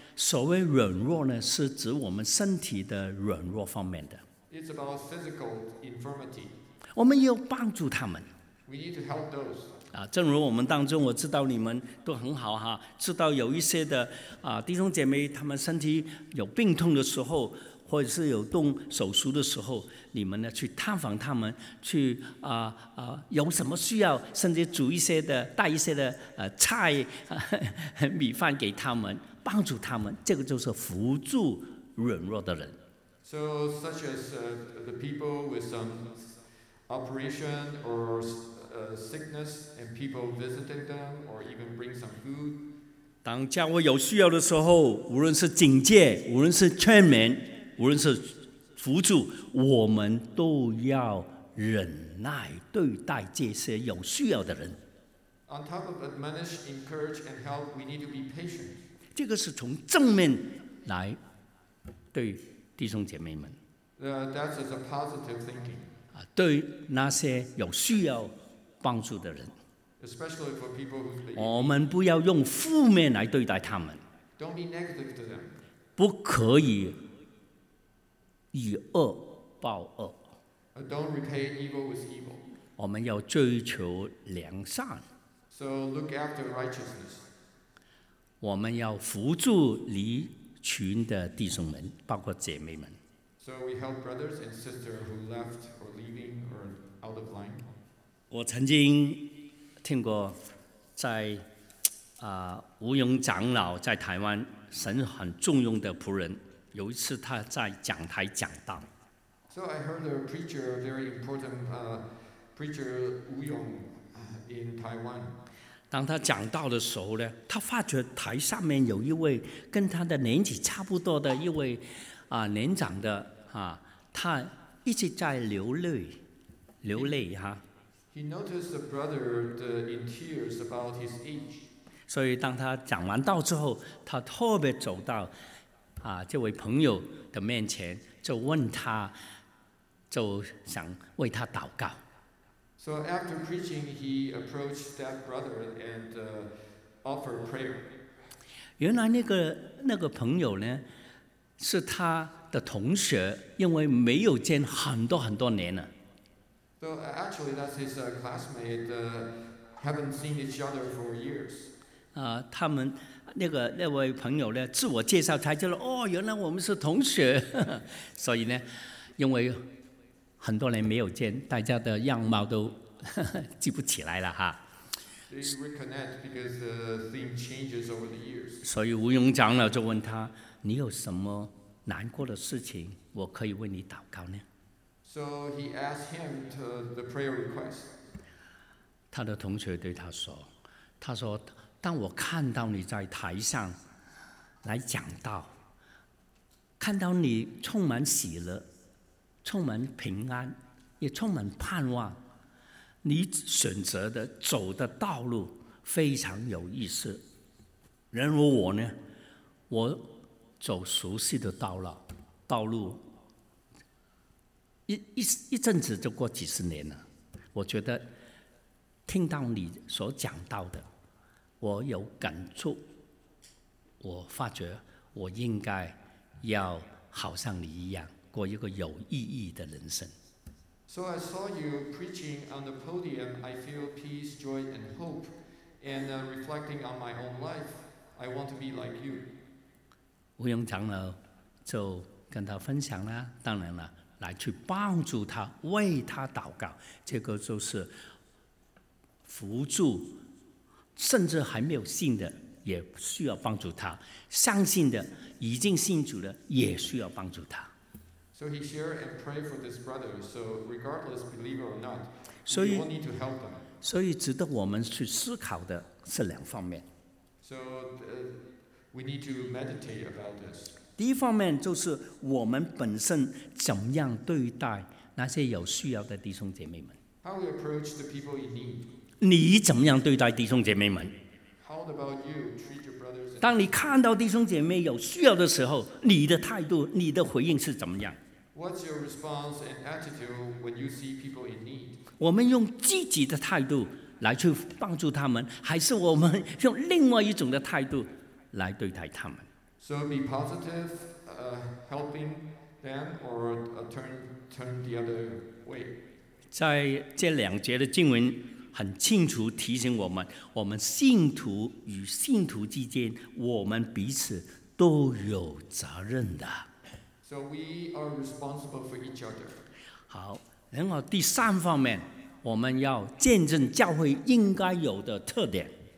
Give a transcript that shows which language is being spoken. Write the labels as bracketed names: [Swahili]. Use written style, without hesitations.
[Chinese] 所谓软弱呢，是指我们身体的软弱方面的。 [English] It's about physical infirmity. [Chinese] 我们要帮助他们。 [English] We need to help those. [Chinese] 正如我们当中，我知道你们都很好知道有一些的弟兄姐妹，他们身体有病痛的时候，或者是有动手术的时候，你们呢去探访他们，去有什么需要，甚至煮一些的带一些的菜米饭给他们，帮助他们，这个就是扶助软弱的人。 [English] So such as the people with some operation or sickness, and people visiting them, or even bring some food. [Chinese] 当教会有需要的时候，无论是警戒，无论是劝勉，无论是扶助，我们都要忍耐对待这些有需要的人。 [English] On top of admonish, encourage, and help, we need to be patient. [Chinese] 这个是从正面来对弟兄姐妹们。 [English] That is a positive thinking. [Chinese] 对那些有需要帮助的人。 [English] Especially for people who believe. [Chinese] 我们不要用负面来对待他们。 [English] Don't be negative to them. [Chinese] 不可以以恶报恶。 [English] Don't repay evil with evil. [Chinese] 我们要追求良善。 [English] So look after righteousness. [Chinese] 我们要扶助离群的弟兄们，包括姐妹们。 [English] So we help brothers and sisters who left or leaving or out of line. [Chinese] 我曾经听过在吴勇长老在台湾神很重用的仆人，有一次他在讲台讲道。 [English] So I heard a preacher, a very important preacher, Wu Yong, in Taiwan. [Chinese] 当他讲道的时候呢，他发觉台上面有一位跟他的年纪差不多的一位年长的他一直在流泪哈。 [English] He noticed a brother in tears about his age. [Chinese] 所以当他讲完道之后，他特别走到这位朋友的面前，就问他，就想为他祷告。 [English] So after preaching, he approached that brother and offered prayer. [Chinese] 原来那个朋友呢，是他的同学，因为没有见很多很多年了。 [English] So actually, that's his classmate. Haven't seen each other for years. [Chinese] 他们那位朋友呢，自我介绍才知道，哦，原来我们是同学。所以呢，因为很多年没有见，大家的样貌都记不起来了哈。 [English] They reconnect because the theme changes over the years. [Chinese] 所以吴勇长老就问他，你有什么难过的事情，我可以为你祷告呢？ [English] So he asked him to the prayer request. [Chinese] 他的同学对他说，他说，当我看到你在台上来讲道，看到你充满喜乐，充满平安，也充满盼望，你选择的走的道路非常有意思。然而我呢，我走熟悉的道路 一阵子就过几十年了，我觉得听到你所讲到的，我有感触，我发觉我应该要好像你一样过一个有意义的人生。 [English] So I saw you preaching on the podium. I feel peace, joy, and hope. And reflecting on my own life, I want to be like you. [Chinese] 吴勇长老就跟他分享了，当然了，来去帮助他，为他祷告，这个就是扶助。甚至还没有信的也需要帮助他，相信的已经信主的也需要帮助他。 [English] So he shared and prayed for this brother. So regardless believer or not, we all need to help them. [Chinese] 所以值得我们去思考的是两方面。 [English] So we need to meditate about this. [Chinese] 第一方面就是我们本身怎么样对待那些有需要的弟兄姐妹们。 [English] How we approach the people in need. [Chinese] 你怎么样对待弟兄姐妹们？ [English] How about you treat your brothers and... [Chinese] 当你看到弟兄姐妹有需要的时候，你的态度，你的回应是怎么样？ [English] What's your response and attitude when you see people in need? [Chinese] 我们用积极的态度来去帮助他们，还是我们用另外一种的态度来对待他们？ [English] So be positive, helping them, or turn the other way. [Chinese] 在这两节的经文很清楚提醒我们，我们信徒与信徒之间，我们彼此都有责任的。 [English] So we are responsible for each other. [Chinese] 好，然后第三方面，我们要见证教会应该有的特点。